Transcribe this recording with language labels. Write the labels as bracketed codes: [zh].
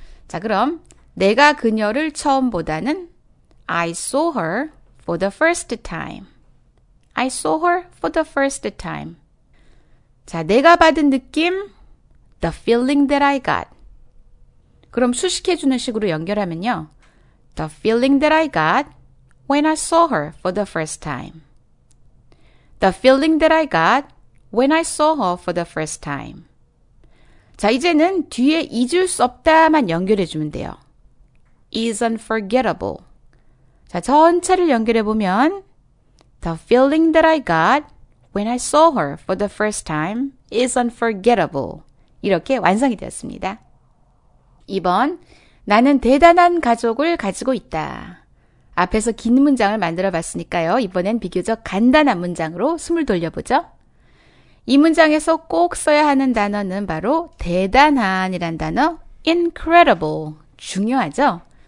[ko] 자, 그럼, 내가 그녀를 처음 보다는, [en] I saw her for the first time. I saw her for the first time. [ko] 자, 내가 받은 느낌, [en] the feeling that I got. [ko] 그럼 수식해주는 식으로 연결하면요. [en] The feeling that I got when I saw her for the first time. The feeling that I got when I saw her for the first time. [ko] 자, 이제는 뒤에 잊을 수 없다만 연결해주면 돼요. [en] Is unforgettable. [ko] 자, 전체를 연결해보면 [en] The feeling that I got when I saw her for the first time is unforgettable. [ko] 이렇게 완성이 되었습니다. 2번. 나는 대단한 가족을 가지고 있다. 앞에서 긴 문장을 만들어 봤으니까요. 이번엔 비교적 간단한 문장으로 숨을 돌려보죠. 이 문장에서 꼭 써야 하는 단어는 바로 대단한이란 단어, incredible. 중요하죠?